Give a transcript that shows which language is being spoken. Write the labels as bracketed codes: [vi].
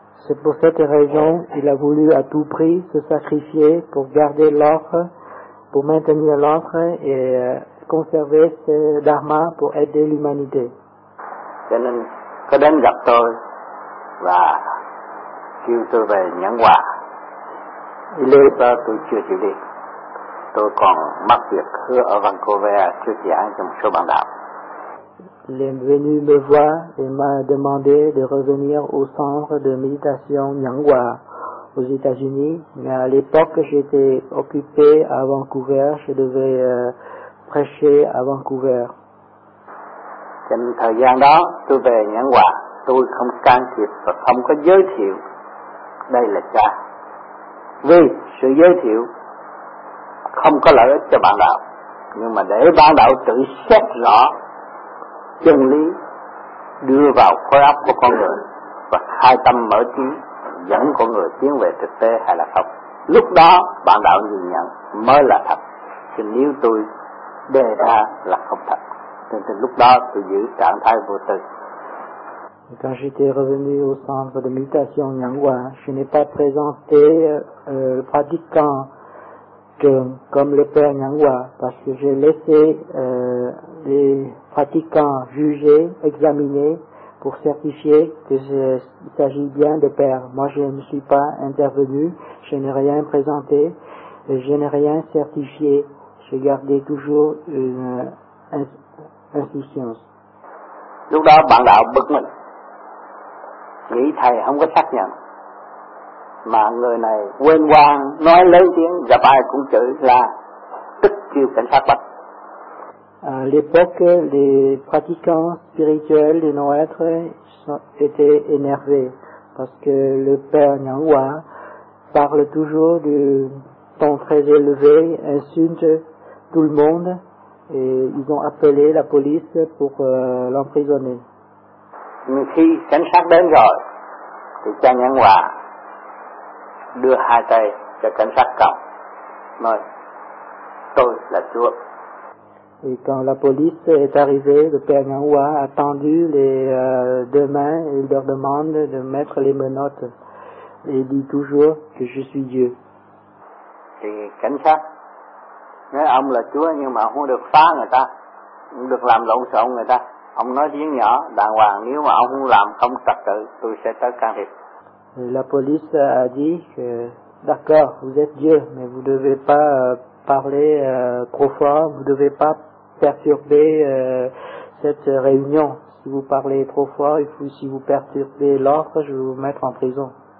[fr] C'est pour cette raison qu'il a voulu à tout prix se sacrifier pour garder l'offre, pour maintenir l'offre et conserver ce dharma pour aider l'humanité. [vi] Cho nên, có đến gặp tôi và kêu tôi về nhận quà. Lúc đó tôi chưa chịu đi. Tôi còn mắc việc hứa ở Vancouver chưa giảng cho một số bạn đạo. [fr] Il est venu me voir et m'a demandé de revenir au centre de méditation Nyanghwa aux États-Unis. Mais à l'époque, j'étais occupé à Vancouver. Je devais prêcher à Vancouver. [vi] Trong thời gian đó, tôi về Nyanghwa. Tôi không can thiệp và không có giới thiệu. Đây là cha. Vì sự giới thiệu không có lợi ích cho bạn đạo. Nhưng mà để bạn đạo tự xét rõ chân lý đưa vào khối óc của con người và khai tâm mở trí dẫn con người tiến về thực tế hay là không. Lúc đó bạn đạo nhìn nhận mới là thật. Chứ nếu tôi đề ra là không thật. Nên lúc đó tôi giữ trạng thái vô tư. [fr] Quand j'étais revenu au centre de méditation Nyanghwa, je n'ai pas présenté le pratiquant comme le père Nyanghwa parce que j'ai laissé les pratiquants juger, examiner pour certifier qu'il s'agit bien de père. Moi, je ne suis pas intervenu, je n'ai rien présenté, je n'ai rien certifié. J'ai gardé toujours une insouciance. [vi] Lúc đó, bạn đạo bực mình. Nghĩ thầy không có xác nhận. Mà người này quên quang, nói lớn tiếng, gặp ai cũng chửi là tức kêu cảnh sát bắt. [fr] À l'époque, les pratiquants spirituels de nos êtres étaient énervés parce que le père Nyanghwa parle toujours du ton très élevé, insulte tout le monde et ils ont appelé la police pour l'emprisonner. Mais [vi] khi cảnh sát đến rồi, thì cha Nyanghwa đưa hai tay cho cảnh sát cầm, nói, tôi là Chúa. [fr] Et quand la police est arrivée, le père Nyanghwa a tendu les deux mains et il leur demande de mettre les menottes. Et il dit toujours que je suis Dieu. Et [vi] cảnh sát, nói ông là Chúa nhưng mà không được phá người ta, không được làm lộn xộn người ta. Ông nói tiếng nhỏ, đàng hoàng, nếu mà ông không làm không trật tự, tôi sẽ tới can thiệp. [fr] La police a dit que d'accord, vous êtes Dieu, mais vous ne devez pas parler trop fort, vous ne devez pas perturber cette réunion. Si vous parlez trop fort, et puis si vous perturbez l'ordre, je vais vous mettre en prison.